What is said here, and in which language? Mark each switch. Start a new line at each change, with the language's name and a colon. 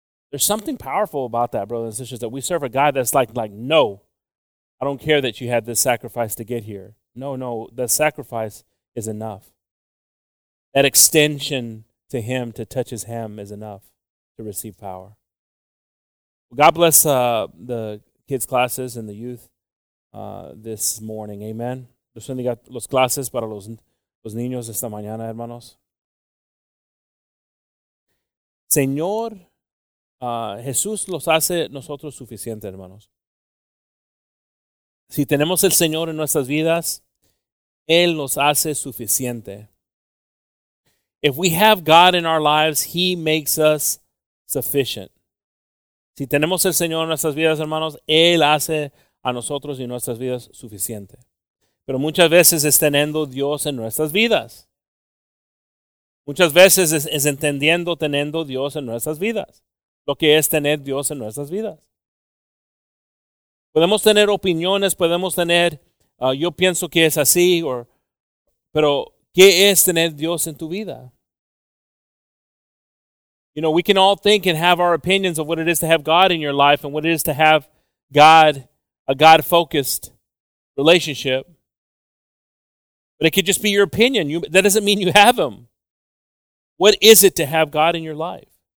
English: There's something powerful about that, brothers and sisters, that we serve a God that's like, no, I don't care that you had this sacrifice to get here. No, the sacrifice is enough. That extension to Him to touch His hem is enough to receive power. Well, God bless the kids' classes and the youth this morning. Amen.
Spanish: Dios bendiga los clases para los niños esta mañana, hermanos. Señor, Jesús los hace nosotros suficientes, hermanos. Si tenemos el Señor en nuestras vidas, Él nos hace suficiente.
English: If we have God in our lives, He makes us sufficient.
Spanish: Si tenemos el Señor en nuestras vidas, hermanos, Él hace a nosotros y nuestras vidas suficiente. Pero muchas veces es teniendo Dios en nuestras vidas. Muchas veces es entendiendo teniendo Dios en nuestras vidas. Lo que es tener Dios en nuestras vidas. Podemos tener opiniones, podemos tener, yo pienso que es así, pero ¿qué es tener Dios en tu vida?
English: You know, we can all think and have our opinions of what it is to have God in your life and what it is to have God, a God-focused relationship. But it could just be your opinion. That doesn't mean you have him. What is it to have God in your life?